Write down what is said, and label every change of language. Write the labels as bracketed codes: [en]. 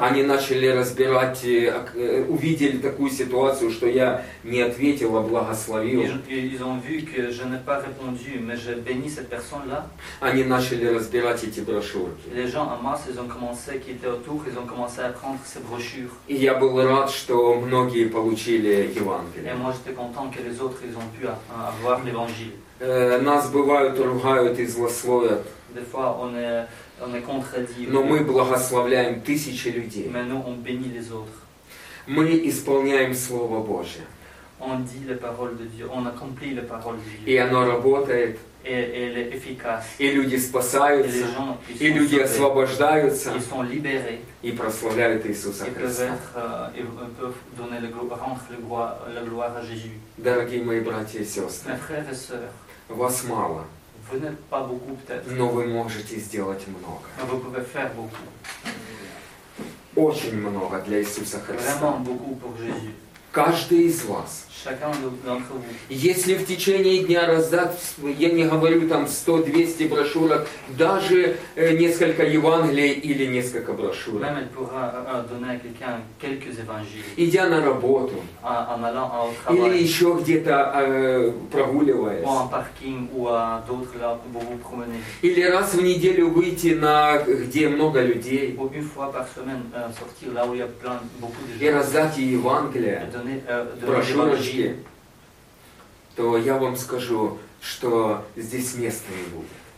[ru] они начали разбирать, увидели такую ситуацию, что я не ответил, а благословил. [fr] Ils ont vu que je n'ai pas répondu, mais j'ai béni cette personne-là. [ru] Они начали разбирать эти брошюрки. [fr] Les gens en masse, ils ont commencé, qui étaient autour, ils ont commencé à prendre ces brochures. [ru] И я был рад, что многие получили Евангелие. [fr] Et moi, j'étais content que les autres, ils ont pu avoir l'Évangile. [ru] Нас бывают ругают и злословят. [fr] Des fois, on est contredit. [ru] Но мы благословляем тысячи людей. [fr] Mais nous, on bénit les autres. [ru] Мы исполняем Слово Божие. [fr] On dit les paroles de Dieu. On accomplit les paroles de Dieu. [ru] И оно работает. [fr] Et est efficace. [ru] И люди спасаются. [fr] Et les gens, [ru] и люди освобождаются. [fr] Ils sont libérés. [ru] И прославляют Иисуса Христа. Дорогие мои братья и сестры, [fr] mes frères et sœurs, [ru] вас мало, [fr] вы n'êtes pas beaucoup, peut-être, [ru] но вы можете сделать много. [fr] Mais vous pouvez faire beaucoup. [ru] Очень много для Иисуса Христа. [fr] Vraiment beaucoup pour Jésus. [ru] Каждый из вас. [fr] Chacun d'entre vous. [ru] Если в течение дня раздать, я не говорю там 100-200 брошюрок, даже несколько Евангелий или несколько брошюрок. [fr] Même elle pourra donner à quelqu'un quelques évangiles. [ru] Идя на работу. [fr] En allant au travail. [ru] Или еще где-то прогуливаясь. [fr] Ou en parking, ou à d'autres là où vous promenez. [ru] Или раз в неделю выйти на где много людей. [fr] Ou une fois par semaine sortir là où il y a plein beaucoup de gens. [ru] И раздать Евангелие. Брошюрочки, то я вам скажу, что здесь места не будет.